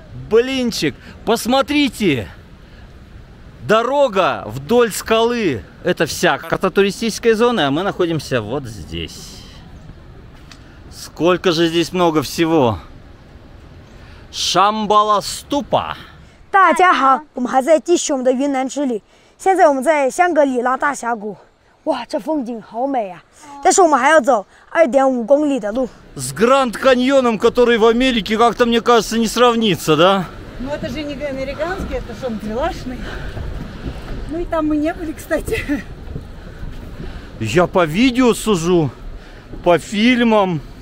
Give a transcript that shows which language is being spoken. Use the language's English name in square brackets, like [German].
[Russian] Блинчик, посмотрите. Дорога вдоль скалы. Это вся карта туристической зоны, а мы находимся вот здесь. Сколько же здесь много всего. Шамбала ступа. [Chinese] 大家好，我们还在弟兄的云南之旅。现在我们在香格里拉大峡谷。哇，这风景好美啊！但是我们还要走2.5公里的路。 [Russian] С Гранд Каньоном, который в Америке, как-то мне кажется, не сравнится, да? Ну это же не американский, это шангрилашный. Ну и там мы не были, кстати. Я по видео сужу, по фильмам.